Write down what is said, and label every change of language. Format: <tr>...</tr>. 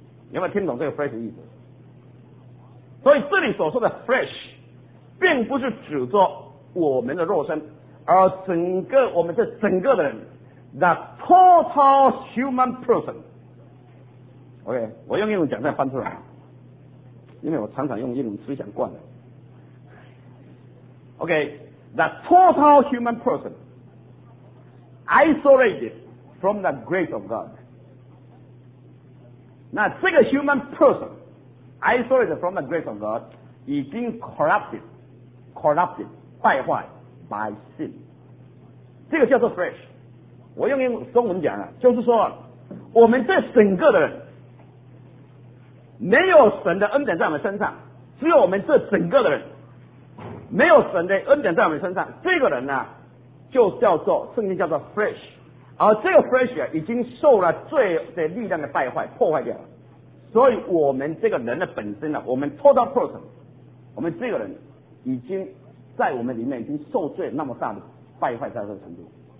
<zh>你有没有听懂这个 flesh 的意思？所以这里所说的 flesh 并不是指着我们的肉身，而整个我们这整个的人</zh> <en>The total human person.</en> <zh>OK， 我用英文讲再翻出来，因为我常常用英文思想惯了。</zh> <en>OK， the total human person isolated from the grace of God.</en> <zh>那这个</zh> <en>human person isolated from the grace of God 已经 corrupted 败坏 by sin，</en> <zh>这个叫做</zh> <en>flesh。</en> <zh>我用英文中文讲啊，就是说我们这整个的人没有神的恩典在我们身上，只有我们这整个的人没有神的恩典在我们身上，这个人呢就叫做圣经叫做 flesh， 而这个 flesh 已经受了罪的力量的败坏破坏掉了，所以我们这个人的本身呢，我们 total person， 我们这个人已经在我们里面已经受罪那么大的败坏在这个程度。</zh>